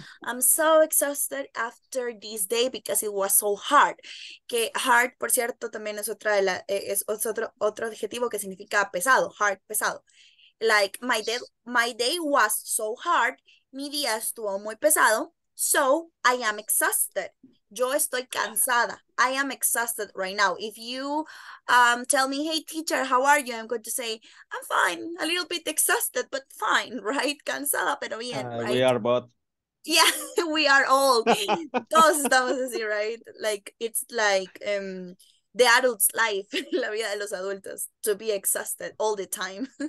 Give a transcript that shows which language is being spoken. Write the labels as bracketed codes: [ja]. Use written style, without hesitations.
[en] I'm so exhausted after this day because it was so hard. [es] Que hard, por cierto, también es otra de la, es otro adjetivo que significa pesado, hard, pesado. [en] Like, my day was so hard, [es] mi día estuvo muy pesado, [en] so I am exhausted. [es] Yo estoy cansada. [en] I am exhausted right now. If you tell me, hey, teacher, how are you? I'm going to say, I'm fine. A little bit exhausted, but fine, right? [es] Cansada, pero bien, [en] right? We are both. Yeah, we are all. [es] Todos estamos así, [en] right? Like, it's like... the adult's life, [es] la vida de los adultos, [en] to be exhausted all the time.